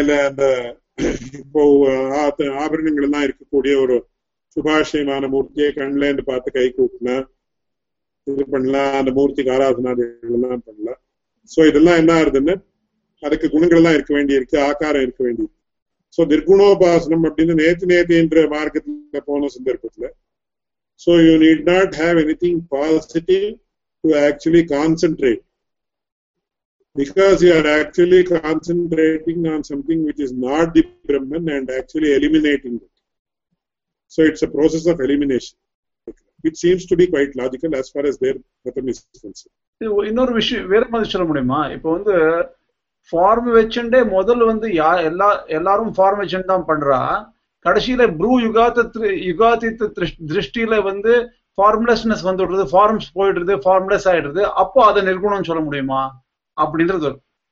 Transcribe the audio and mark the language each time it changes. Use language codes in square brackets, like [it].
[ta] இல்ல அந்த இப்போ ஆபரணங்கள் எல்லாம் இருக்கக்கூடிய ஒரு சுபாஷயமான மூர்த்தியை கண்ணில இருந்து பார்த்து கை கூப்பினா இது பண்ணலாம், அந்த மூர்த்திக்கு ஆராதனாதிகளெல்லாம் பண்ணலாம். சோ இதெல்லாம் என்ன ஆகுதுன்னா, அதுக்கு குணங்கள் எல்லாம் இருக்க வேண்டியிருக்கு, ஆகாரம் இருக்க வேண்டியிருக்கு. சோ நிர்குணோபாசனம் அப்படின்னு நேத்து நேத்தின்ற மார்க்கத்துல போன சந்தர்ப்பத்துல [en] So you need not have anything positive to actually concentrate. Because you are actually concentrating on something which is not the Brahman and actually eliminating it. So it's a process of elimination, which seems to be quite logical as far as their Pratham is concerned. [ta] Form வச்சுட்டே முதல்ல வந்து எல்லாரும் form வச்சுட்டு தான் பண்றா, கடைசியில Bru யுகாதித் திருஷ்டியில வந்து ஃபார்ம்லெஸ்னஸ் வந்து விடுறது, ஃபார்ம்ஸ் போயிடுறது, ஃபார்ம்லெஸ் ஆயிடுறது, அப்போ அதை நிர்குணம் சொல்ல முடியுமா அப்படின்றது வரும்.